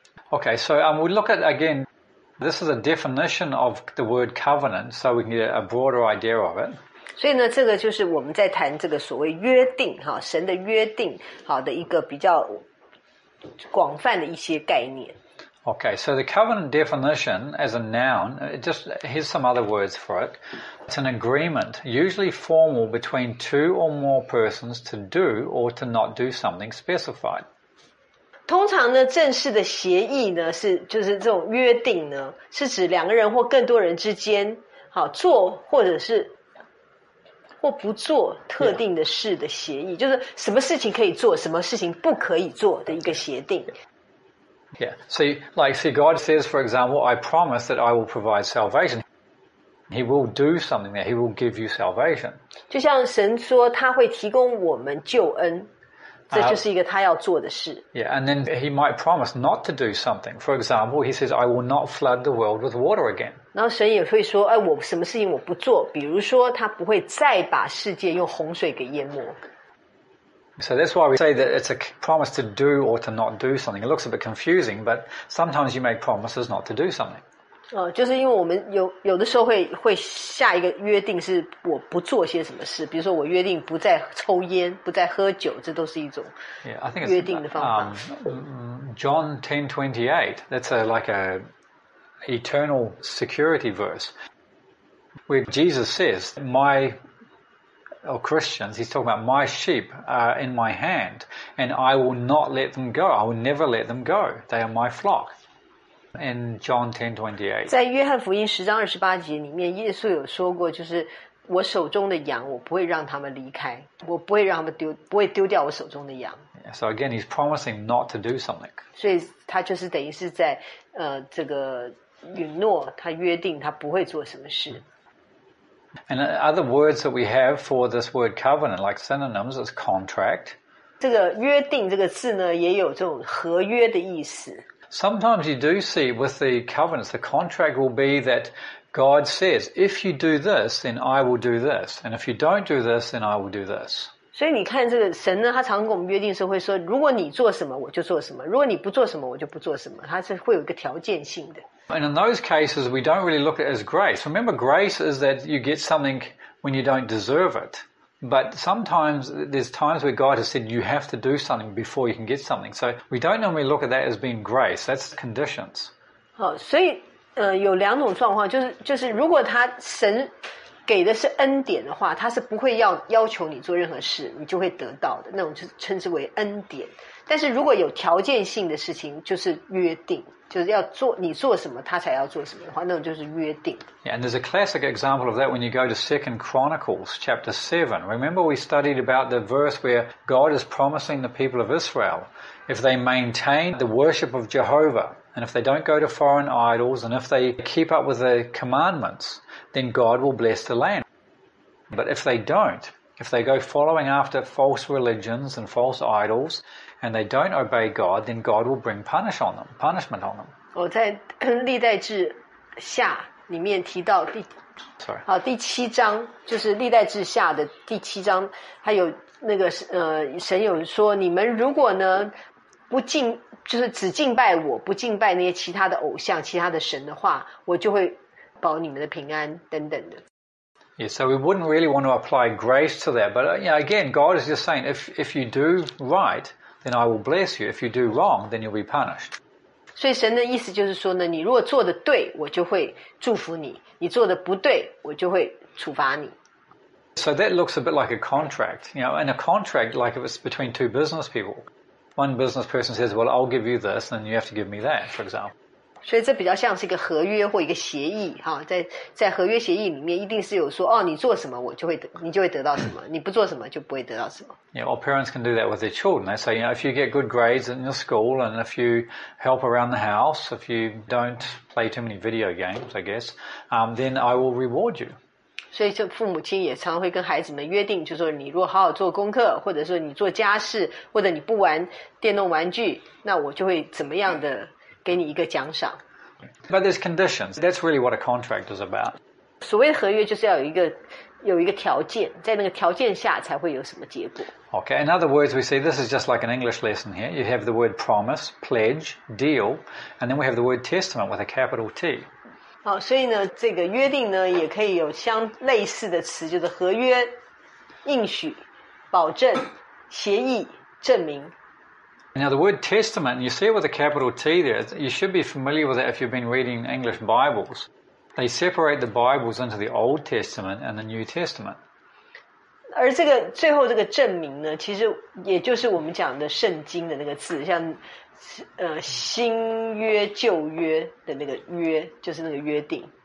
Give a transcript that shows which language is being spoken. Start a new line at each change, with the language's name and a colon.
English: Okay, so we look at again, this is a definition of the word covenant, so we can get a broader idea of it.
Chinese: 所以呢，这个就是我们在谈这个所谓约定，神的约定，好的一个比较广泛的一些概念。
English: Okay, so the covenant definition as a noun, just here's some other words for it. It's an agreement, usually formal, between two or more persons to do or to not do something specified.
Chinese: 通常呢，正式的协议呢，是就是这种约定呢，是指两个人或更多人之间，好，做或者是或不做特定的事的协议，就是什么事情可以做，什么事情不可以做的一个协定。
English: Yeah, see, God says, for example, I promise that I will provide salvation. He will do something there. He will give you salvation.
Chinese: 就像神说他会提供我们救恩，这就是一个他要做的事。
English: Yeah, and then he might promise not to do something. For example, he says, I will not flood the world with water again.
Chinese: 然后神也会说，哎，我什么事情我不做，比如说他不会再把世界用洪水给淹没。
English: So that's why we say that it's a promise to do or to not do something. It looks a bit confusing, but sometimes you make promises not to do something.
Chinese: 就是因为我们有的时候会下一个约定是我不做些什么事，比如说我约定不再抽烟，不再喝酒，这都是一种约定的方法。
English: Yeah, I think John 10:28, that's like a eternal security verse, where Jesus says, Christians, he's talking about my sheep are in my hand, and I will not let them go. I will never let them go. They are my flock. In John 10:28,
Chinese: 在约翰福音十章二十八节里面，耶稣有说过，就是我手中的羊，我不会让他们离开，我不会让他们不会丢掉我手中的羊。
English: So again, he's promising not to do something.
Chinese: 所以他就是等于是在这个允诺，他约定他不会做什么事。
English: And other words that we have for this word covenant, like synonyms, is contract.
Chinese: 这个约定这个字呢，也有这种合约的意思。
English: Sometimes you do see with the covenants, the contract will be that God says, if you do this, then I will do this. And if you don't do this, then I will do this.
Chinese: 所以你看这个神呢，他常跟我们约定的时候会说，如果你做什么，我就做什么；如果你不做什么，我就不做什么。他是会有一个条件性的。
English: And in those cases, we don't really look at it as grace. Remember, grace is that you get something when you don't deserve it. But sometimes there's times where God has said you have to do something before you can get something. So we don't normally look at that as being grace. That's conditions.
Chinese: 好，所以有两种状况，就是如果他神给的是恩典的话，他是不会要求你做任何事，你就会得到的，那种就称之为恩典。但是如果有条件性的事情，就是约定，就是要做你做什么，他才要做什么的话，那种就是约定。
English: Yeah, and there's a classic example of that when you go to 2 Chronicles chapter 7. Remember we studied about the verse where God is promising the people of Israel if they maintain the worship of Jehovah, and if they don't go to foreign idols, and if they keep up with the commandments, then God will bless the land. But if they don't, if they go following after false religions and false idols,and they don't obey God, then God will bring punishment on them.
Chinese: 我在历代志下里面提到第七章，就是历代志下的第七章，还有那个神有说，你们如果呢不敬，就是只敬拜我，不敬拜那些其他的偶像、其他的神的话，我就会保你们的平安等等的。
English: Yeah, so we wouldn't really want to apply grace to that, but you know, again, God is just saying if you do right. Then I will bless you. If you do wrong, then you'll be punished.
Chinese: 所以神的意思就是说呢，你如果做的对，我就会祝福你；你做的不对，我就会处罚你。
English: So that looks a bit like a contract, you know. And a contract, like if it's between two business people, one business person says, "Well, I'll give you this, and you have to give me that," for example.
Chinese: 所以这比较像是一个合约或一个协议，哈，在合约协议里面，一定是有说，哦，你做什么，你就会得到什么；你不做什么，就不会得到什么。
English: Yeah, all parents can do that with their children. They say, you know, if you get good grades in your school, and if you help around the house, if you don't play too many video games, I guess, then I will reward you.
Chinese: 所以，这父母亲也常会跟孩子们约定，就说你如果好好做功课，或者说你做家事，或者你不玩电动玩具，那我就会怎么样的。给你一个奖赏。
English: But there's conditions. That's really what a contract is about.
Chinese: 所谓的合约就是要有一个条件，在那个条件下才会有什么结果。
English: Okay, in other words, we see this is just like an English lesson here. You have the word promise, pledge, deal, and then we have the word testament with a capital T.
Chinese: 好，所以呢，这个约定呢，也可以有相类似的词，就是合约、应许、保证、协议、证明。
English: Now the word testament, you see it with a capital T there, you should be familiar with that if you've been reading English Bibles. They separate the Bibles into the Old Testament and the New Testament.
Chinese: 而这个最后这个证明呢，其实也就是我们讲的圣经的那个字，像新约旧约的那个约，就是那个约定。